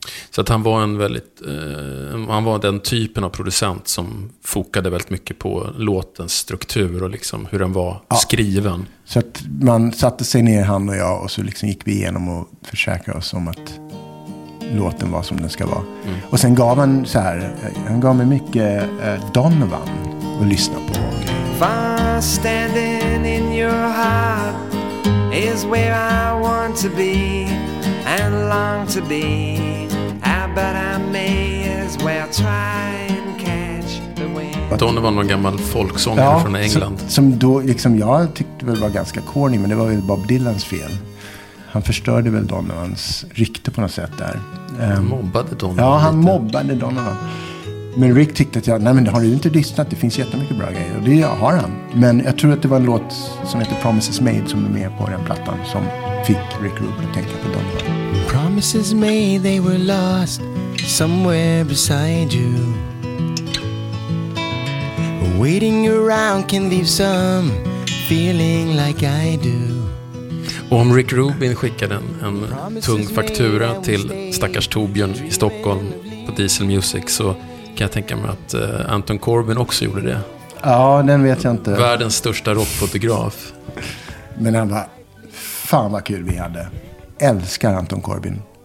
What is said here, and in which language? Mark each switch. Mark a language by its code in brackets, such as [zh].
[sv] Så att han var en väldigt han var den typen av producent som fokade väldigt mycket på låtens struktur och liksom hur den var skriven. Så att man satte sig ner, han och jag, och så liksom gick vi igenom och försäkrade oss om att låten var som den ska vara. Mm. Och sen gav han så här, han gav mig mycket Donovan att lyssna på. [en] If I'm standing in your heart is where I want to be and long to be. But I may as well try and catch the wind. [sv] Donovan var någon gammal folksångare från England. Som då, liksom, jag tyckte väl var ganska corny, men det var väl Bob Dylans fel. Han förstörde väl Donovans rykte på något sätt där. Han mobbade Donovan. Ja, han mobbade Donovan. Men Rick tyckte att jag, nej men har du inte lyssnat? Det finns jättemycket bra grejer. Och det har han. Men jag tror att det var en låt som heter Promises Made som är med på den plattan som fick Rick Rubin att tänka på Donovan. [en] Promises made, they were lost somewhere beside you. Waiting around can leave some feeling like I do. [sv] Och om Rick Rubin skickade en tung faktura till stackars Torbjörn i Stockholm på Diesel Music, så kan jag tänka mig att Anton Corbijn också gjorde det. Ja, den vet jag inte. Världens största rockfotograf. Men han bara, fan vad kul vi hade. Älskar Anton Corbijn.